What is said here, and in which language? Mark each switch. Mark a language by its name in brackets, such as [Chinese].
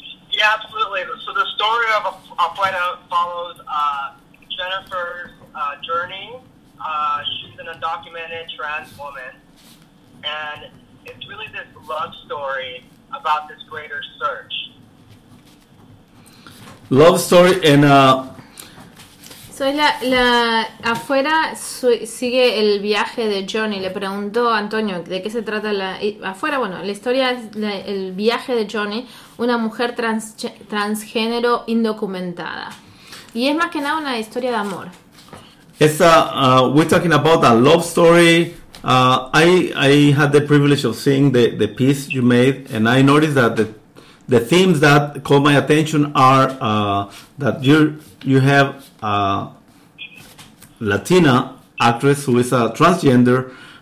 [English] Yeah, absolutely. So the story of Afuera follows Jennifer's journey. She's an undocumented trans woman, and it's really this love story about this greater search. Love story and [Spanish] so es la afuera sigue el viaje de Johnny. Le preguntó a Antonio de qué se trata la afuera. Bueno, la historia es el viaje de Johnny, una mujer transgénero indocumentada, y es más que nada una historia de amor. [English] It's we're talking about a love story. I had the privilege of seeing the piece you made, and I noticed that the themes that caught my attention are that you have a Latina actress who is a transgender.